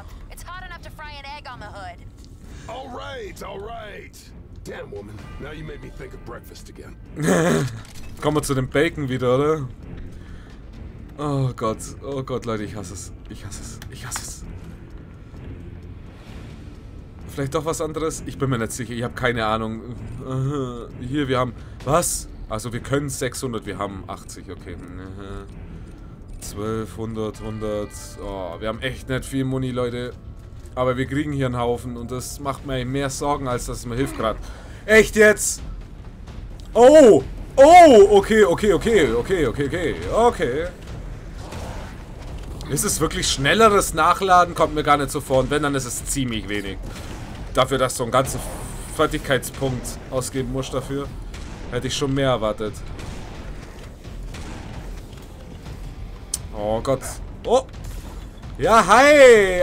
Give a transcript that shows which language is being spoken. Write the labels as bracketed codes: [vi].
[en] It's hot enough to fry an egg on the hood. All right, all right. Damn woman, now you made me think of breakfast again. [de] Kommen wir zu dem Bacon wieder, oder? Oh Gott, Leute, ich hasse es. Ich hasse es, ich hasse es. Vielleicht doch was anderes? Ich bin mir nicht sicher, ich habe keine Ahnung. Hier, wir haben... Was? Also, wir können 600, wir haben 80, okay. 1200, 100. Oh, wir haben echt nicht viel Muni, Leute. Aber wir kriegen hier einen Haufen und das macht mir mehr Sorgen, als dass es mir hilft gerade. Echt jetzt? Oh! Oh! Okay, okay, okay, okay, okay, okay, okay. Ist es wirklich schnelleres Nachladen? Kommt mir gar nicht so vor. Und wenn, dann ist es ziemlich wenig. Dafür, dass du einen ganzen Fertigkeitspunkt ausgeben musst dafür, hätte ich schon mehr erwartet. Oh Gott. Oh. Ja, hi.